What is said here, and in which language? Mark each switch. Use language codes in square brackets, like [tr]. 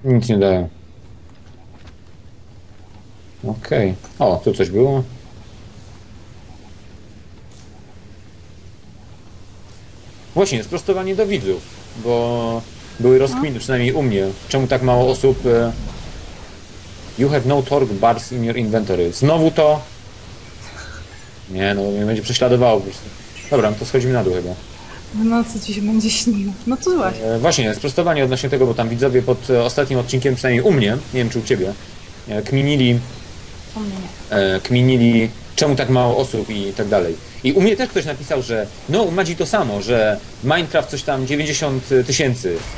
[pl] Nic nie dają. Okej. Okay. O, tu coś było. Właśnie, sprostowanie do widzów, bo były rozkminy, przynajmniej u mnie. Czemu tak mało osób... [en] You have no torque bars in your inventory. [pl] Znowu to... Nie, no mnie będzie prześladowało po prostu. Dobra, to schodzimy na dół chyba. W nocy ci się będzie śniło. No to złaś. Właśnie, sprostowanie odnośnie tego, bo tam widzowie pod ostatnim odcinkiem, przynajmniej u mnie, nie wiem czy u ciebie, kminili... U mnie nie. Kminili, czemu tak mało osób i tak dalej. I u mnie też ktoś napisał, że no, Madzi to samo, że Minecraft coś tam 90 tysięcy.